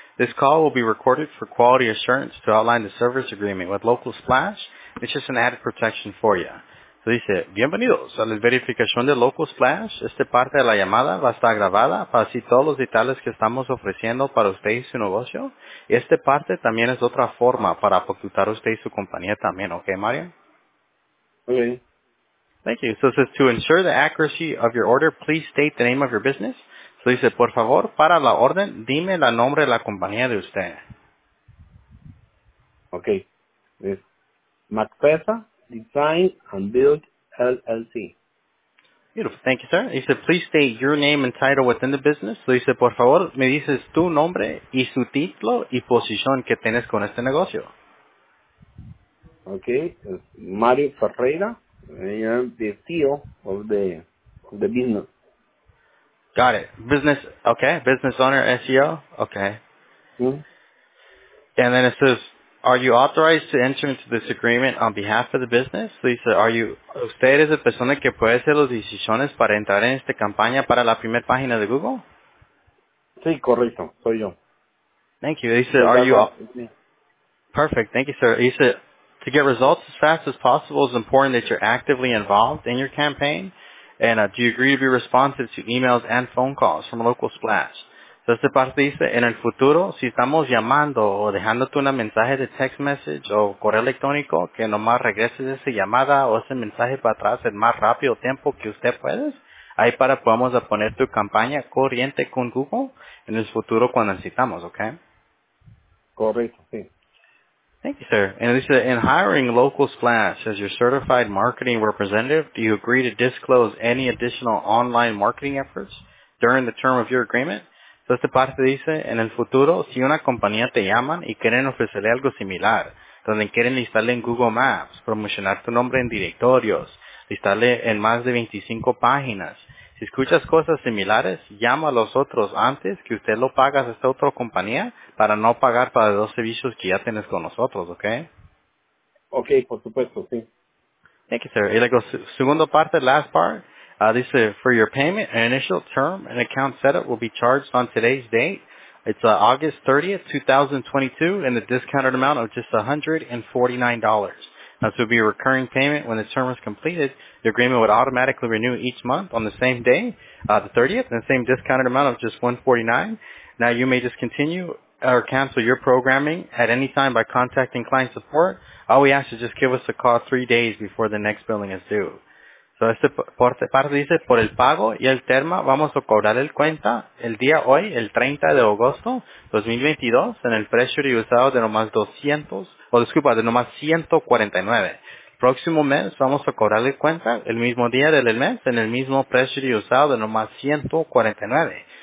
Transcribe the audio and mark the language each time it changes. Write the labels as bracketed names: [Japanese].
[English] This call will be recorded for quality assurance to outline the service agreement with Local Splash. It's just an added protection for you. [Spanish] So dice, bienvenidos a la verificación de Local Splash. Esta parte de la llamada va a estar grabada para así todos los detalles que estamos ofreciendo para usted y su negocio. Y esta parte también es otra forma para apuntar usted y su compañía también. ¿Ok, Mario? [English] Okay. Thank you. So it says, to ensure the accuracy of your order, please state the name of your business. [Spanish] So dice, por favor, para la orden, dime el nombre de la compañía de usted. [English] Okay. It's Macpesa Design and Build LLC. Beautiful. Thank you, sir. He said, please state your name and title within the business. [Spanish] So dice, por favor, me dices tu nombre y su título y posición que tienes con este negocio. [English] Okay. It's Mario Ferreira. I am the CEO of the business. Got it. Business, okay. Business owner, SEO, okay. Mm-hmm. And then it says, are you authorized to enter into this agreement on behalf of the business? So you said, are you, [Spanish] usted es la persona que puede hacer las decisiones para entrar en esta campaña para la primera página de Google? Sí, correcto. Soy yo. [English] Thank you. He said, are you... Perfect. Thank you, sir. He said, to get results as fast as possible, it's important that you're actively involved in your campaign. And do you agree to be responsive to emails and phone calls from Local Splash? [Spanish] So esta parte dice, en el futuro, si estamos llamando o dejándote un mensaje de text message o correo electrónico, que nomás regreses esa llamada o ese mensaje para atrás el más rápido tiempo que usted puede, ahí para podamos poner tu campaña corriente con Google en el futuro cuando necesitamos, ¿ok? Correcto, sí. [English] Thank you, sir. And Lisa, in hiring Local Splash as your certified marketing representative, do you agree to disclose any additional online marketing efforts during the term of your agreement? [Spanish] So esta parte dice, en el futuro, si una compañía te llaman y quieren ofrecerle algo similar, donde quieren listarle en Google Maps, promocionar tu nombre en directorios, listarle en más de 25 páginas, si escuchas cosas similares, llama a los otros antes que usted lo paga a esta otra compañía para no pagar para los servicios que ya tienes con nosotros, ¿ok? Ok, por supuesto, sí. [English] Thank you, sir. [Spanish] Y luego, segunda parte, [English] last part. [Spanish] Dice, [English] for your payment, an initial term and account setup will be charged on today's date. It's August 30th, 2022, and the discounted amount of just $149. Now, this will be a recurring payment when the term is completed. The agreement would automatically renew each month on the same day, the 30th, and the same discounted amount of just $149. Now, you may just continue or cancel your programming at any time by contacting client support. All we ask is just give us a call 3 days before the next billing is due. [Spanish] So, este parte dice, por el pago y el termo, vamos a cobrar el cuenta el día hoy, el 30 de agosto 2022, en el precio reusado de nomás $149. El próximo mes, vamos a cobrar el cuenta el mismo día del mes, en el mismo precio reusado de nomás $149.